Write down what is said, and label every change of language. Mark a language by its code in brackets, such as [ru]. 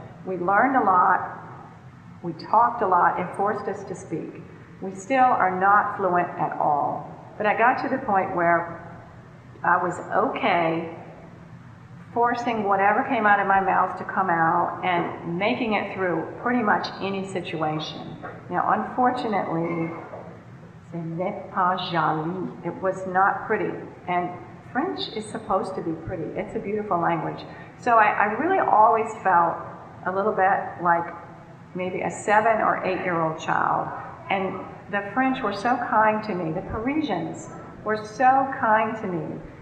[en] We learned a lot, we talked a lot, it forced us to speak. We still are not fluent at all. But I got to the point where I was okay forcing whatever came out of my mouth to come out and making it through pretty much any situation. Now, unfortunately, [fr] ce n'est pas joli. [en] It was not pretty. And French is supposed to be pretty. It's a beautiful language. So I really always felt a little bit like maybe a 7 or 8 year old child. And the French were so kind to me. The Parisians were so kind to me.